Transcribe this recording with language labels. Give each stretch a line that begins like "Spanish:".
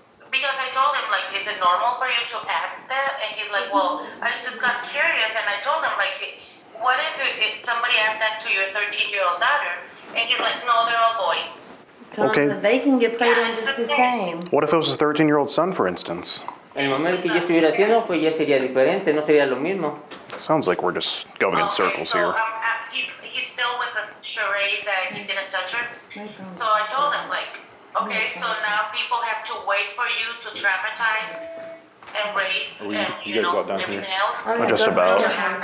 English: Because I told him, like, is it normal for you to ask that? And he's like, well, I just got curious. And I told him, like, what if somebody asked that to your 13-year-old daughter? And he's like, no, they're all boys. Okay. They can get played on just the same. What if it was a 13-year-old son, for instance?
Spanish: El momento que yo estuviera haciendo, pues ya sería diferente, no sería lo mismo.
English: Sounds like we're just going in circles here. He's still with the charade that he didn't touch her. So I told him, like, okay, so now people have to wait for you to traumatize and rape and, you know, everything Else. Oh, just about.